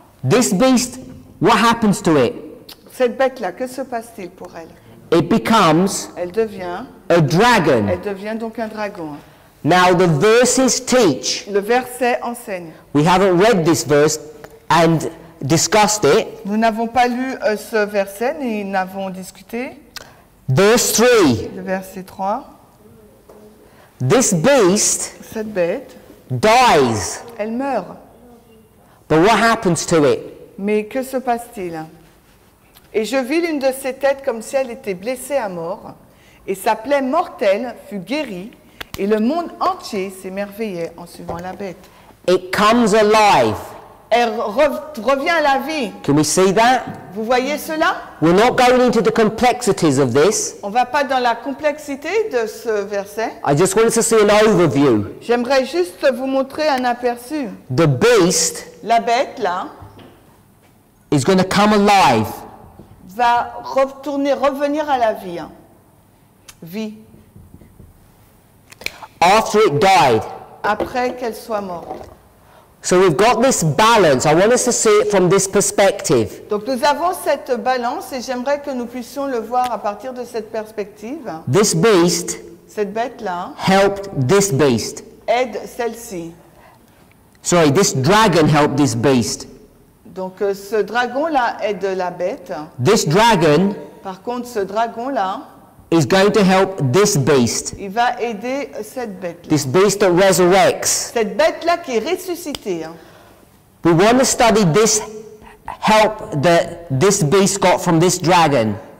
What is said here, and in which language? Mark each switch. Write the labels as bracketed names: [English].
[English] This beast, what happens to it? [French] Cette bête-là, que se passe-t-il pour elle? [English] It becomes. [French] Elle devient. [English] A dragon. [French] Elle devient donc un dragon. [English] Now the verses teach. [French] Le verset enseigne. [English] We haven't read this verse and discussed it. [French] Nous n'avons pas lu ce verset ni n'avons discuté. [English] Verse 3. [French] Le verset 3. [English] This beast. [French] Cette bête. [English] Dies. [French] Elle meurt. [English] But what happens to it? [French] Mais que se passe-t-il? Et je vis l'une de ses têtes comme si elle était blessée à mort. Et sa plaie mortelle fut guérie, et le monde entier s'émerveillait en suivant la bête. [English] It comes alive. [French] Elle revient à la vie. [English] Can we see that? [French] Vous voyez cela? [English] We're not going into the complexities of this. [French] On ne va pas dans la complexité de ce verset. [English] I just wanted to see an overview. [French] J'aimerais juste vous montrer un aperçu. [English] The beast, [French] la bête, là, [English] is going to come alive. [French] Va revenir à la vie. Vie. [English] After it died. [French] Après qu'elle soit morte. [English] So we've got this balance. I want us to see it from this perspective. [French] Donc nous avons cette balance et j'aimerais que nous puissions le voir à partir de cette perspective. [English] This beast. [French] Cette bête là. [English] Helped this beast. [French] Aide celle-ci. [English] Sorry, this dragon helped this beast. [French] Donc ce dragon là aide la bête. [English] This dragon. [French] Par contre, ce dragon là. [English] Is going to help this beast. [French] Il va aider cette bête-là. [English] This beast that resurrects. [French] Cette bête-là qui est ressuscitée. [English] We want to study this help that this beast got from this dragon.